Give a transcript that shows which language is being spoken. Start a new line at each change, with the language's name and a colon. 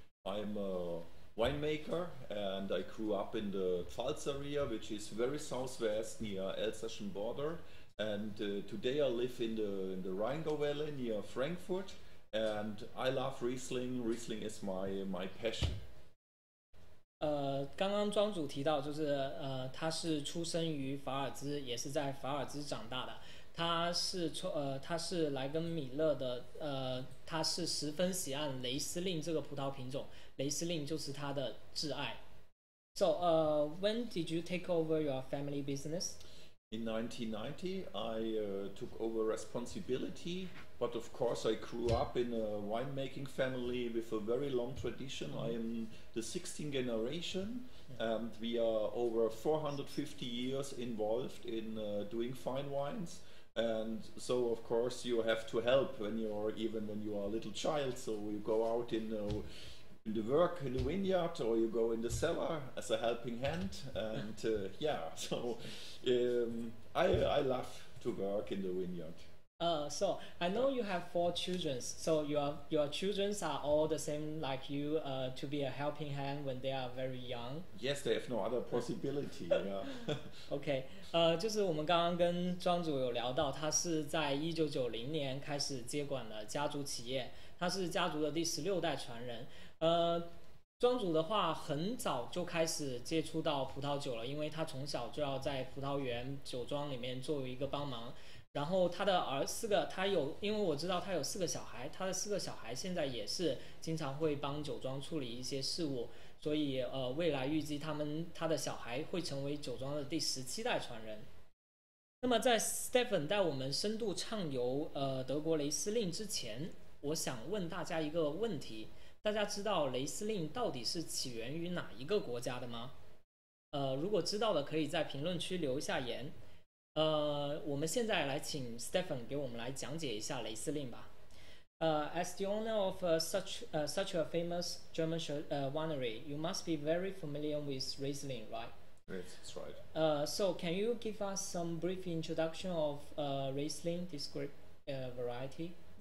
English: I'm a winemaker and I grew up in the Pfalz area, which is very southwest near Elsassian border. And today I live in the Rheingau Valley near Frankfurt, and I love Riesling. Riesling is my passion.
Chinese: 刚刚庄主提到就是他是出生于法尔兹，也是在法尔兹长大的。他是莱根米勒的他是十分喜爱雷司令这个葡萄品种，雷司令就是他的挚爱。
English: So when did you take over your family business? In 1990 I took over responsibility, but of course I grew up in a winemaking family with a very long tradition. I am the 16th generation and we are over 450 years involved in doing fine wines. And so of course you have to help when you are a little child. So you go out in the vineyard, or you go in the cellar as a helping hand. And I love to work in the vineyard. So I know you have four children. So your children are all the same like you, to be a helping hand when they are very young. Yes, they have no other possibility. Yeah. Okay.
Chinese: 就是我们刚刚跟庄主有聊到，他是在1990年开始接管了家族企业，他是家族的第16代传人。庄主的话很早就开始接触到葡萄酒了，因为他从小就要在葡萄园酒庄里面作为一个帮忙。然后他的因为我知道他有四个小孩，他的四个小孩现在也是经常会帮酒庄处理一些事务，所以未来预计他的小孩会成为酒庄的第17代传人。那么在 Stefan 带我们深度畅游德国雷司令之前，我想问大家一个问题：大家知道雷司令到底是起源于哪一个国家的吗？如果知道的可以在评论区留下言。我们现在来请 Stefan 给我们来讲解一下雷司令吧。
English: As the owner of such a famous German winery, you must be very familiar with Riesling, right? Yes, that's right. So can you give us some brief introduction of Riesling, this grape variety?